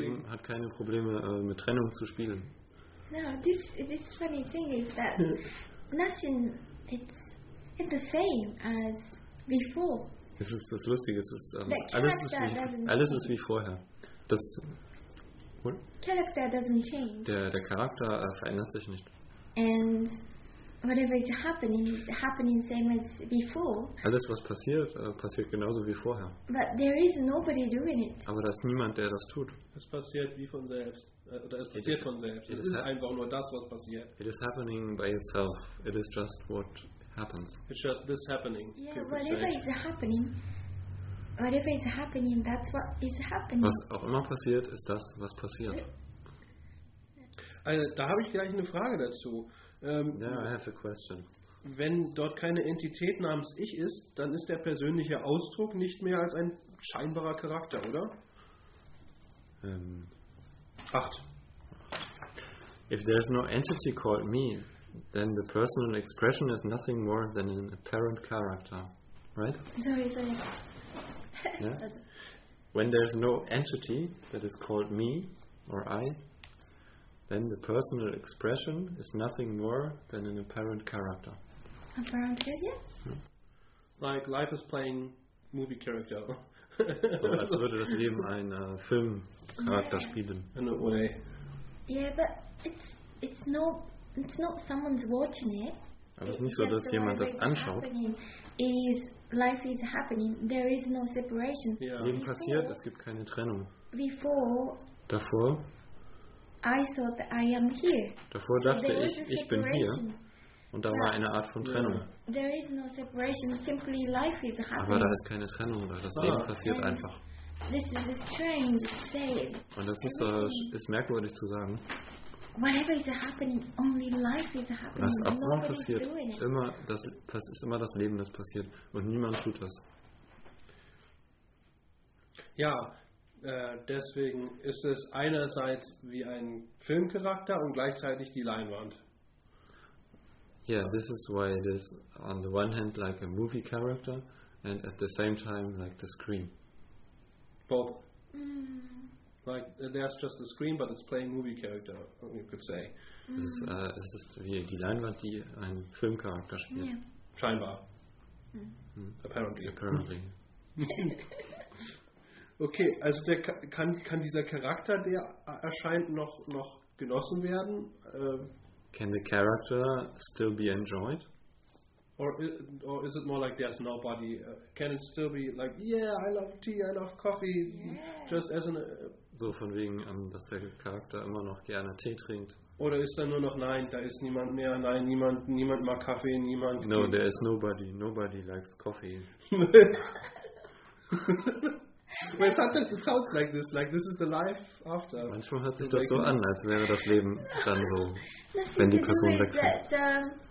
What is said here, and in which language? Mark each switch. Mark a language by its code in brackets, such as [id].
[de] Leben hat keine Probleme mit Trennung zu spielen. [en] No, this funny thing is that nothing it's the same as before. [de] Es ist das Lustige, es ist alles ist wie vorher. Das [en] Character doesn't change. [de] Der Charakter verändert sich nicht. [en] And whatever is happening same as before. [de] Alles, was passiert, passiert genauso wie vorher. [en] But there is nobody doing it. [de] Aber da ist niemand, der das tut. Es passiert wie von selbst. Oder es passiert von selbst. Es ist einfach nur das, was passiert. [en] It is happening by itself. It is just what happens. It's just this happening. Yeah, whatever is happening. Whatever is happening, that's what is happening. [de] Was auch immer passiert, ist das, was passiert. Also, da habe ich gleich eine Frage dazu. [en] Yeah, I have a question. [de] Wenn dort keine Entität namens Ich ist, dann ist der persönliche Ausdruck nicht mehr als ein scheinbarer Charakter, oder? Acht. [en] If there is no entity called me, then the personal expression is nothing more than an apparent character, right? Sorry. Yeah. When there is no entity that is called me or I, then the personal expression is nothing more than an apparent character. Apparent character? Yeah. Like life is playing movie character. [de] So als würde das Leben ein Filmcharakter spielen. [en] In a way. Yeah, but it's not someone's watching it. [de] Aber es ist nicht so, dass jemand das anschaut. [en] Life is happening. There is no separation. Yeah. [de] Leben passiert, es gibt keine Trennung. [en] Before. [de] Davor. [en] I thought that I am here. [de] Davor dachte ich, ich bin hier. Und da war eine Art von Trennung. [en] There is no separation. Simply life is happening. [de] Aber da ist keine Trennung. Das Leben passiert einfach. [en] This is a strange saying. [de] Und das ist merkwürdig zu sagen. [en] Whatever is happening, only life is happening. [de] Was auch immer passiert, immer das ist immer das Leben, das passiert, und niemand tut das. Ja, deswegen ist es einerseits wie ein Filmcharakter und gleichzeitig die Leinwand. [en] Yeah, this is why it is on the one hand like a movie character and at the same time like the screen. Both. Like there's just the screen, but it's playing movie character, you could say. [de] Es ist wie die Leinwand, die einen Filmcharakter spielt. [en] Yeah. [de] Scheinbar. [en] Apparently. [de] Okay, also der kann dieser Charakter, der erscheint, noch genossen werden? [en] Can the character still be enjoyed? Or is it more like there's nobody? Can it still be like, yeah, I love tea, I love coffee, just as an... [de] So von wegen, dass der Charakter immer noch gerne Tee trinkt. Oder ist da nur noch, nein, da ist niemand mehr, nein, niemand mag Kaffee, niemand... [en] No, there is nobody, nobody likes coffee. Well, sometimes it sounds like this is the life after. [de] Manchmal hört sich das so an, als wäre das Leben dann so, wenn die Person wegfällt.